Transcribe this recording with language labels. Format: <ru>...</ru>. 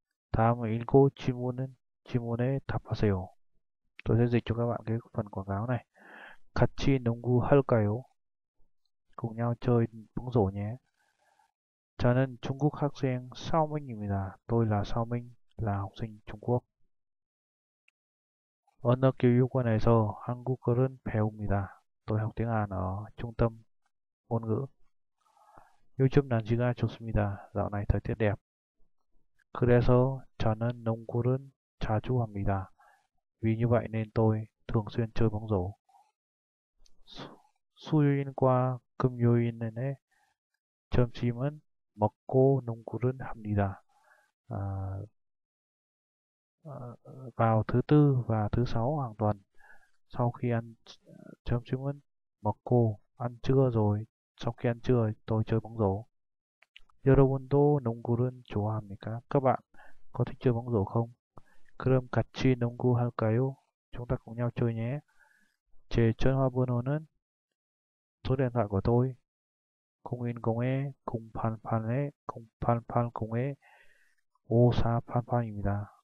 <ko>다음 읽고 질문에 답하세요.</ko> <vi>Tôi sẽ dịch cho các bạn cái phần quảng cáo này.</vi> <ko>같이 농구 할까요?</ko> <vi>Cùng nhau chơi bóng rổ nhé.</vi> <ko>저는 중국 학생 서민입니다.</ko> <vi>Tôi là 서민, là học sinh Trung Quốc.</vi> <ko>언어교육원에서 한국어를 배웁니다.</ko> <vi>Tôi học tiếng Hàn ở trung tâm ngôn ngữ.</vi> <ko>요즘 날씨가 좋습니다.</ko> <vi>Dạo này thời tiết đẹp.</vi> <ko>그래서 저는 농구를 자주 합니다.</ko> <vi>Vì như vậy nên tôi thường xuyên chơi bóng rổ.</vi> <ko>수요일과 금요일에 점심은 먹고 농구를 합니다.</ko> <vi>Vào thứ tư và thứ sáu hàng tuần sau khi ăn chấm chứng minh mặc cô ăn trưa rồi sau khi ăn trưa tôi chơi bóng rổ.</vi> <ko>여러분도 농구를 좋아합니까?</ko> <vi>Các bạn có thích chơi bóng rổ không?</vi> <ko>그럼 같이 농구 할까요?</ko> <vi>Chúng ta cùng nhau chơi nhé.</vi> <ko>제 전화번호는</ko> <vi>số điện thoại của tôi</vi> <ko>010에 088에 0880에 5488입니다.</ko>